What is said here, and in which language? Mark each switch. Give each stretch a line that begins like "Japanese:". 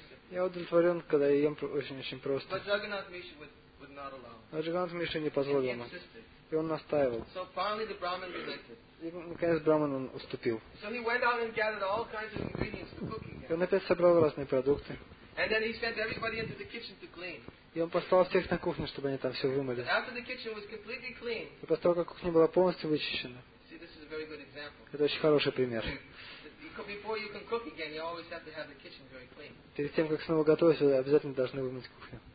Russian: Я удовлетворен, когда я ем очень-очень просто.
English: But Jagannath Mishra would not allow.
Russian: А Джагнат Миша не позволил ему. И он настаивал.
English: So finally the Brahman relented.
Russian: И наконец Брахман он уступил.
English: So he went out and gathered all kinds of ingredients for cooking.
Russian: И он опять собрал разные продукты.
English: And then he sent everybody into the kitchen to clean.
Russian: И он послал всех на кухню, чтобы они там все вымыли.
English: After the kitchen was completely clean,
Russian: и после того, как кухня была полностью вычищена,
English: see, this is a very good example.
Russian: Это очень хороший пример.
English: Before you can cook again, you always have to have the kitchen very clean.
Russian: Перед тем, как снова готовить, вы обязательно должны вымыть кухню.